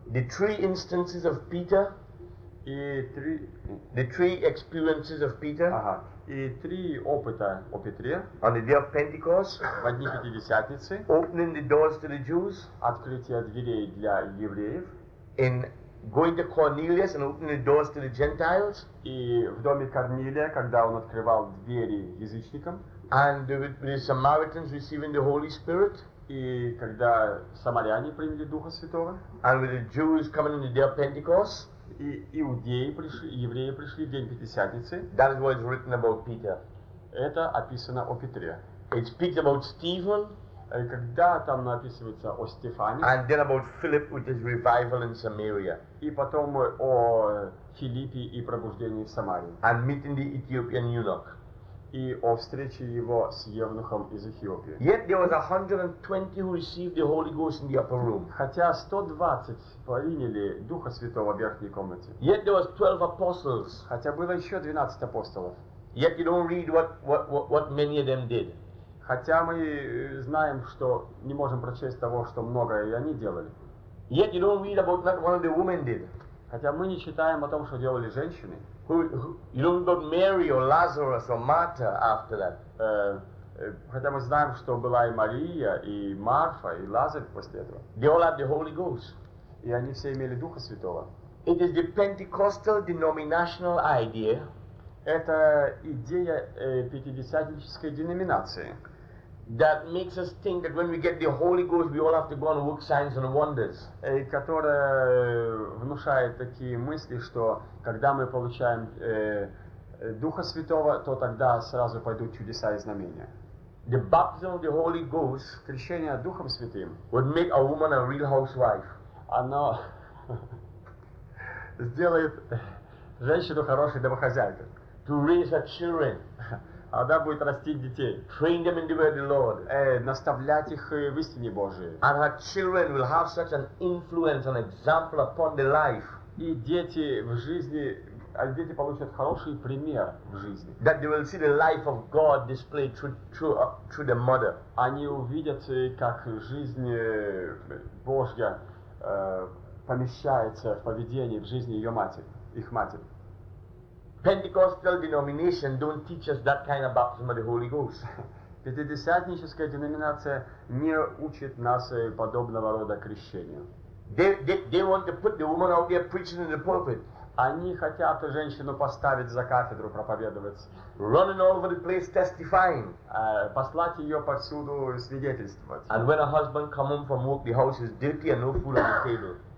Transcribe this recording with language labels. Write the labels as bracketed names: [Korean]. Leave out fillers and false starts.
[English] The three instances of Peter. [Russian] И три. [English] The three experiences of Peter. [Russian] Ага. И три опыта о Петре. [English] On the day of Pentecost, [Russian] в одни пятидесятницы. [English] Opening the doors to the Jews, [Russian] открытие дверей для евреев. [English] In going to Cornelius and opening the doors to the Gentiles, [Russian] и в доме Корнилия, когда он открывал двери язычникам. [English] And the Samaritans receiving the Holy Spirit, [Russian] и когда самаряне приняли Духа Святого. [English] And with the Jews coming on the day of Pentecost. [Russian] И иудеи пришли, евреи пришли в день Пятидесятницы. [English] That is what is written about Peter. [Russian] Это описано о Петре. [English] It speaks about Stephen. [Russian] И когда там написывается о Стефане. [English] And then about Philip with his revival in Samaria. [Russian] И потом о Филиппе и пробуждении в Самарии. [English] And meeting the Ethiopian eunuch. [Russian] И о встрече его с евнухом из Эфиопии. [English] Yet there was 120 who received the Holy Ghost in the upper room. [Russian] Хотя 120 приняли Духа Святого в верхней комнате. [English] Yet there was 12 apostles. [Russian] Хотя было еще 12 апостолов. [English] Yet you don't read what many of them did. [Russian] Хотя мы знаем, что не можем прочесть того, что многое и они делали. [English] Yet you don't read about what one of the women did. [Russian] Хотя мы не читаем о том, что делали женщины. [English] You don't know Mary or Lazarus or Martha after that. [Russian] Хотя мы знаем, что была и Мария, и Марфа, и Лазарь после этого. [English] They all had the Holy Ghost. [Russian] И они все имели Духа Святого. [English] It is the Pentecostal denominational idea. [Russian] Это идея пятидесятнической деноминации. [English] That makes us think that when we get the Holy Ghost, we all have to go and work signs and wonders. [Russian] И которая внушает такие мысли, что когда мы получаем Духа Святого, то тогда сразу пойдут чудеса и знамения. [English] The baptism of the Holy Ghost, [Russian] крещение Духом Святым, [English] would make a woman a real housewife. [Russian] оно сделает женщину хорошей домохозяйкой. [English] To raise her children. [Russian] Она будет растить детей. [English] Train them in the way of the Lord. [Russian] Наставлять их в истине Божией. [English] And her children will have such an influence, an example upon the life. [Russian] И дети в жизни, а дети получат хороший пример в жизни. [English] That they will see the life of God displayed through the mother. [Russian] Они увидят, как жизнь Божья помещается в поведении, в жизни ее матери, их матери. [English] Pentecostal denomination don't teach us that kind of baptism of the Holy Ghost. [Russian] Пятидесятническая деноминация не учит нас подобного рода крещению. [English] They want to put the woman out there preaching in the pulpit. [Russian] Они хотят женщину поставить за кафедру проповедовать. [English] Running all over the place testifying. [Russian] Послать ее повсюду свидетельствовать. [English] And when a husband come home from work, the house is dirty and no food on the table.